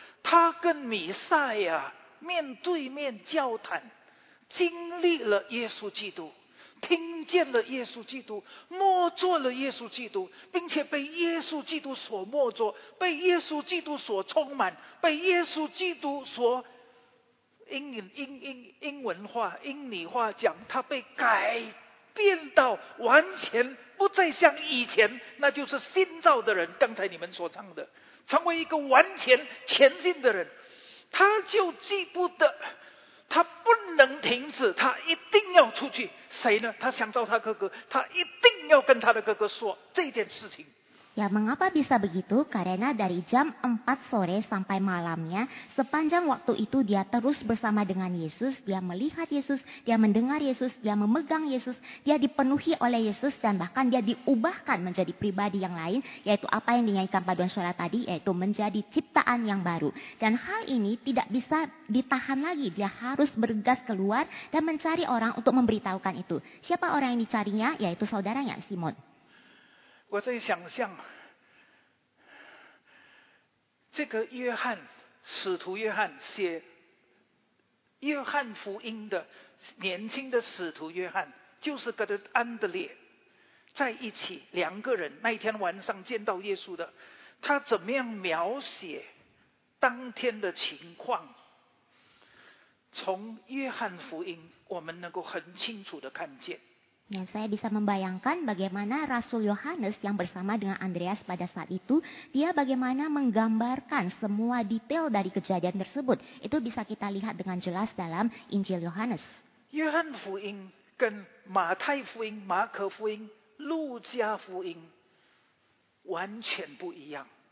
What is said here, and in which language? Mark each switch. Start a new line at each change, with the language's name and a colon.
Chinese: 他跟弥赛亚面对面交谈，经历了耶稣基督，听见了耶稣基督，摸着了耶稣基督，并且被耶稣基督所摸着，被耶稣基督所充满，被耶稣基督所英文化英语化讲，他被改变到完全不再像以前，那就是新造的人，刚才你们所唱的。成为一个完全前进的人，他就记不得，他不能停止，他一定要出去。谁呢？他想到他哥哥，他一定要跟他的哥哥说这件事情。
Indonesian: Ya, mengapa bisa begitu? Karena dari jam 4 sore sampai malamnya, sepanjang waktu itu dia terus bersama dengan Yesus, dia melihat Yesus, dia mendengar Yesus, dia memegang Yesus, dia dipenuhi oleh Yesus, dan bahkan dia diubahkan menjadi pribadi yang lain, yaitu apa yang dinyanyikan paduan suara tadi, yaitu menjadi ciptaan yang baru. Dan hal ini tidak bisa ditahan lagi, dia harus bergegas keluar dan mencari orang untuk memberitahukan itu. Siapa orang yang dicarinya? Yaitu saudaranya, Simon.
Chinese: 我在想象这个约翰使徒约翰写约翰福音的年轻的使徒约翰就是跟安德烈在一起两个人那一天晚上见到耶稣的他怎么样描写当天的情况从约翰福音我们能够很清楚的看见
Indonesian: Ya, saya bisa membayangkan bagaimana Rasul Yohanes yang bersama dengan Andreas pada saat itu, dia bagaimana menggambarkan semua detail dari kejadian tersebut. Itu bisa kita lihat dengan jelas dalam Injil Yohanes.
Chinese: Yohan Fuin, dan Matai Fuin, Marka Fuin, Lujia Fuin, 完全不一样.